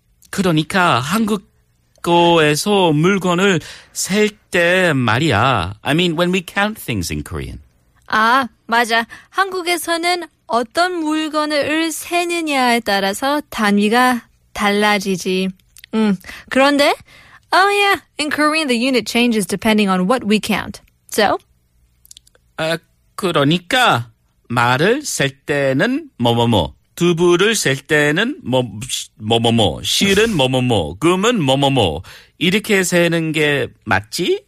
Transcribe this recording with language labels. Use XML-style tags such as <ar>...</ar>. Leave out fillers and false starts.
<ko>그러니까 한국어에서 물건을 셀 때 말이야.</ko> <en>I mean, when we count things in Korean.</en> <ko>아, 맞아. 한국에서는 어떤 물건을 세느냐에 따라서 단위가 달라지지. 그런데?</ko> <en>Oh, yeah. In Korean, the unit changes depending on what we count. So?</en> <ko>그러니까 말을 셀 때는 뭐뭐뭐, 두부를 셀 때는 뭐뭐뭐, 실은 뭐뭐뭐, 금은 뭐뭐뭐, 이렇게 세는 게 맞지?</ko>